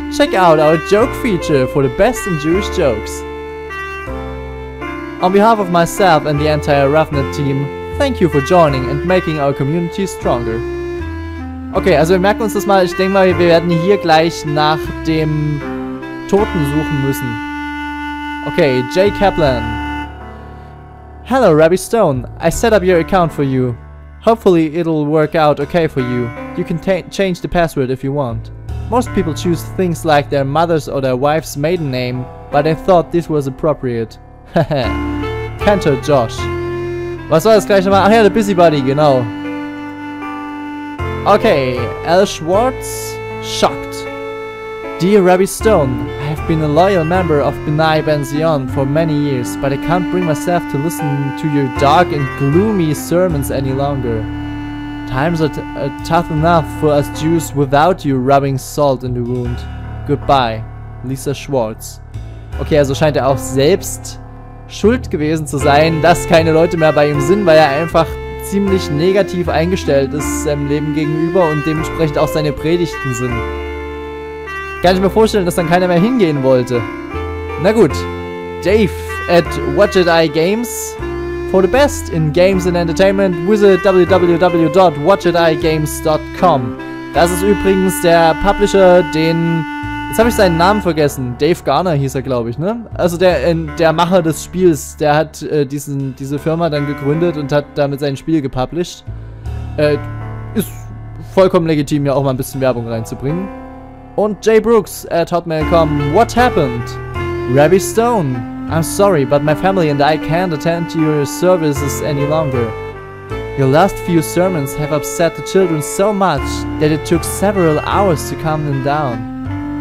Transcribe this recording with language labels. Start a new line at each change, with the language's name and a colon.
English: Check out our joke feature for the best in Jewish jokes. On behalf of myself and the entire Ravnet team, thank you for joining and making our community stronger.
German: Okay, also wir merken uns das mal. Ich denke mal, wir werden hier gleich nach dem Toten suchen müssen.
English: Okay, Jay Kaplan. Hello, Rabbi Stone. I set up your account for you. Hopefully it'll work out okay for you. You can change the password if you want. Most people choose things like their mother's or their wife's maiden name, but I thought this was appropriate.
German: Haha, Cantor Josh. Was war das gleich nochmal? Ach ja, der Busybody, genau.
English: Okay, Al Schwartz, shocked. Dear Rabbi Stone, I have been a loyal member of B'nai Ben Zion for many years, but I can't bring myself to listen to your dark and gloomy sermons any longer. Times are tough enough for us Jews without you rubbing salt in the wound. Goodbye, Lisa Schwartz.
German: Okay, also scheint er auch selbst schuld gewesen zu sein, dass keine Leute mehr bei ihm sind, weil er einfach ziemlich negativ eingestellt ist seinem Leben gegenüber und dementsprechend auch seine Predigten sind. Kann ich mir vorstellen, dass dann keiner mehr hingehen wollte. Na gut.
English: Dave at WatchItEye Games. For the best in games and entertainment, visit www.watchitigames.com.
German: Das ist übrigens der Publisher, den... Jetzt habe ich seinen Namen vergessen. Dave Garner hieß er, glaube ich, ne? Also der Macher des Spiels, der hat diese Firma dann gegründet und hat damit sein Spiel gepublished. Ist vollkommen legitim, ja auch mal ein bisschen Werbung reinzubringen. Und
English: Jay Brooks at Hotmail.com. What happened? Rabbi Stone, I'm sorry, but my family and I can't attend your services any longer. Your last few sermons have upset the children so much that it took several hours to calm them down.